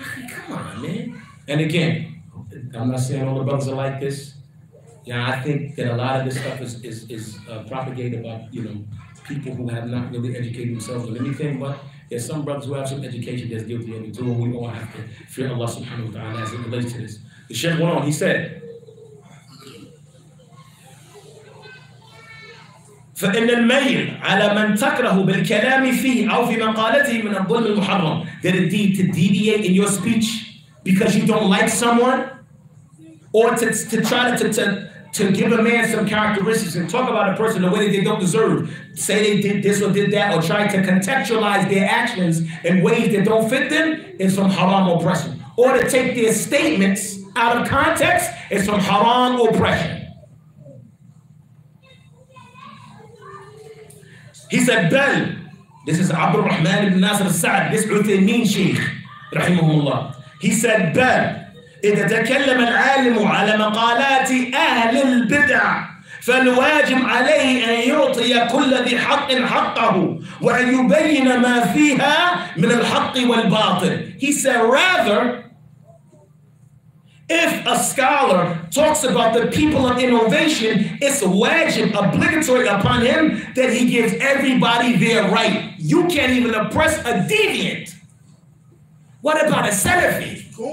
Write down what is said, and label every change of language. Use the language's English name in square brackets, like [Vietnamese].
[English] Come on, man. And again, I'm not saying all the brothers are like this. Yeah, I think that a lot of this stuff is propagated by, people who have not really educated themselves on anything, but there's some brothers who have some education that's guilty of it too, and we all have to fear Allah subhanahu wa ta'ala as it relates to this. [Arabic] The Sheikh went on, he said, فَإِنَّ الْمَيْلِ عَلَى مَنْ تَكْرَهُ بِالْكَلَامِ فِيهِ أَوْ فِي مَقَالَتِهِ مِنَ الظُّلْمِ الْمُحَرَّمِ. [English] That indeed to deviate in your speech because you don't like someone, or to try to give a man some characteristics and talk about a person the way that they don't deserve, say they did this or did that, or try to contextualize their actions in ways that don't fit them, is from haram oppression. Or to take their statements out of context is from haram oppression. He said, Bel, this is Abdul Rahman ibn Nasir al-Sa'd, this Uthaymeen Sheikh, rahimahullah. He said, Bel, [Arabic] إذا تكلم العالم على مقالات أهل البدع فالواجب عليه أن يعطي كل ذي حق حقه وأن يبين ما فيها من الحق والباطل. [English] He said, rather, If a scholar talks about the people of innovation, it's wajib, obligatory upon him that he gives everybody their right. You can't even oppress a deviant. What about a Salafi?